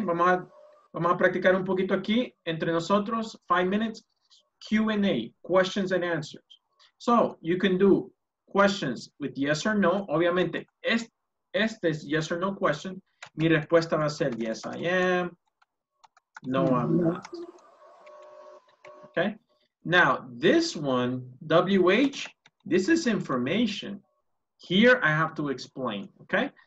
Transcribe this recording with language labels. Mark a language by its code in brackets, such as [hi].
[es] Vamos a practicar un poquito aquí entre nosotros. [en] 5 minutes. Q&A. Questions and answers. So, you can do questions with yes or no. [es] Obviamente, este es [en] yes or no question. [es] Mi respuesta va a ser [en] yes, I am. No, I'm not. Okay? Now, this one, WH, this is information. Here, I have to explain. Okay?